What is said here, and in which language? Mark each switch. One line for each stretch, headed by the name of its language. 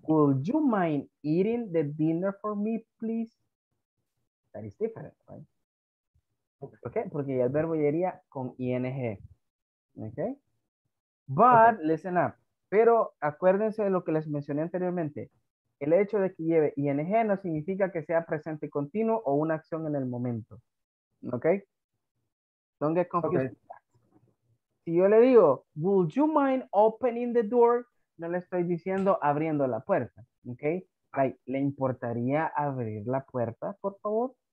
English: Would you mind eating the dinner for me, please? That is different, right?
Spanish: Okay, porque ya el verbo ya iría con ing. Okay?
English: But, okay. Listen up.
Spanish: Pero acuérdense de lo que les mencioné anteriormente. El hecho de que lleve ing no significa que sea presente continuo o una acción en el momento.
English: ¿Ok? Don't get confused. Okay.
Spanish: Si yo le digo,
English: would you mind opening the door?
Spanish: No le estoy diciendo abriendo la puerta. ¿Ok? Like, ¿le importaría abrir la puerta, por favor?